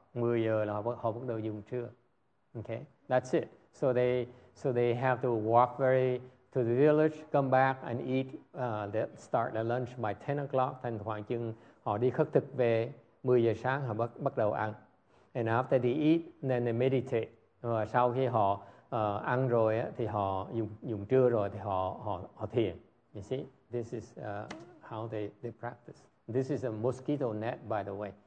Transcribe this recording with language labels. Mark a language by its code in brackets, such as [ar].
[vi] 10 giờ là họ bắt đầu dùng trưa. [en] Okay? That's it. So they have to walk very to the village, come back and eat. They start their lunch by 10 o'clock. [vi] Thành khoảng chừng họ đi khất thực về 10 giờ sáng họ bắt đầu ăn. [en] And after they eat, then they meditate. [vi] Và sau khi họ ăn rồi thì họ dùng trưa rồi thì họ thiền. [en] You see, this is how they practice. This is a mosquito net, by the way.